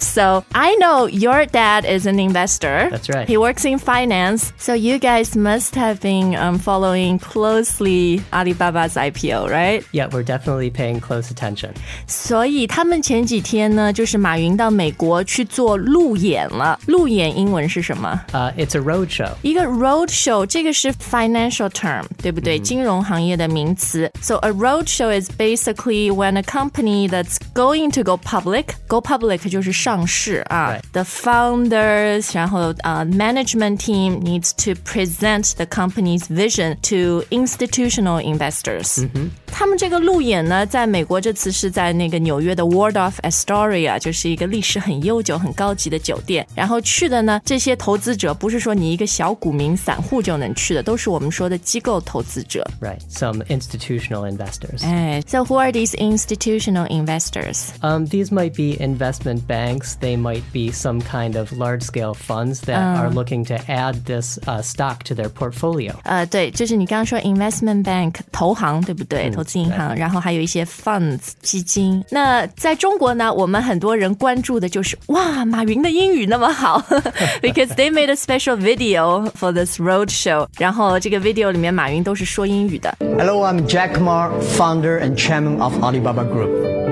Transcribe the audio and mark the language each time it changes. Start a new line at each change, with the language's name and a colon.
English: So I know your dad is an investor. That's right. He works in finance. So you guys must have been following closely Alibaba's IPO, right? Yeah, we're definitely paying close attention.
Chinese: 所以他们前几天呢，就是马云到美国去做路演了。路演英文是什么？
English: It's a roadshow.
Chinese: 一个 roadshow， 这个是 financial term， 对不对？Mm-hmm. 金融行业的名词。
English: So a roadshow is basically when a company that's going to go public
Chinese: 就是上市啊、
English: right. The founders
Chinese: 然后、
English: management team needs to present the company's vision to institutional investors、 mm-hmm.
Chinese: 他们这个路演呢在美国这次是在那个纽约的 Waldorf Astoria 就是一个历史很悠久很高级的酒店然后去的呢这些投资者不是说你一个小股民散户就能去的都是我们说的机构投资者
English: Right, some institutional investors、 So who are these institutional investors? These might be investment banks. They might be some kind of large-scale funds that are looking to add this stock to their portfolio.
Chinese: 对，就是你刚刚说 investment bank, 投行，对不对？投资银行，然后还有一些 funds, 基金。那在中国呢，我们很多人关注的就是，哇，马云的英语那么好。
English: Because they made a special video for this roadshow.
Chinese: 然后这个 video 里面马云都是说英语的。
English: Hello, I'm Jack Ma, founder and chairman of Alibaba Group.